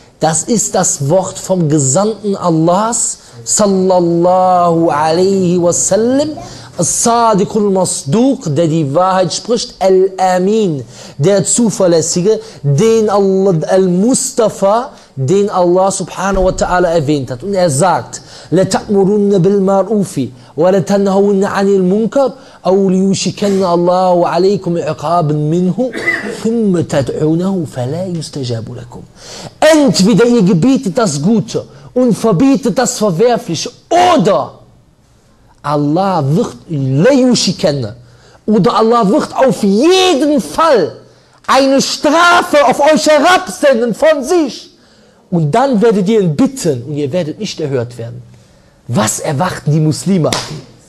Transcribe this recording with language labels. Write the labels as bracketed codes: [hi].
[de] Das ist das Wort vom Gesandten Allahs, sallallahu alaihi wasallam, as-sadiqul masduq, der die Wahrheit spricht, al-amin, der Zuverlässige, den Allah, al-Mustafa, den Allah subhanahu wa ta'ala erwähnt hat. Und er sagt, [ar] لَتَأْمُرُنَّ بِالْمَعْرُوفِ وَلَتَنْهَوُنَّ عَنِ الْمُنْكَرِ أَوْ لِيُشِكَنَّ اللَّهُ عَلَيْكُمْ عِقَابًا مِّنْهُ ثُمَّ تَدْعُونَهُ فَلَا يُسْتَجَابُ لَكُمْ. [de] Entweder ihr gebietet das Gute und verbietet das Verwerfliche. Oder Allah wird Layushi kennen. Oder Allah wird auf jeden Fall eine Strafe auf euch herabsenden von sich. Und dann werdet ihr ihn bitten und ihr werdet nicht erhört werden. Was erwarten die Muslime, Achi?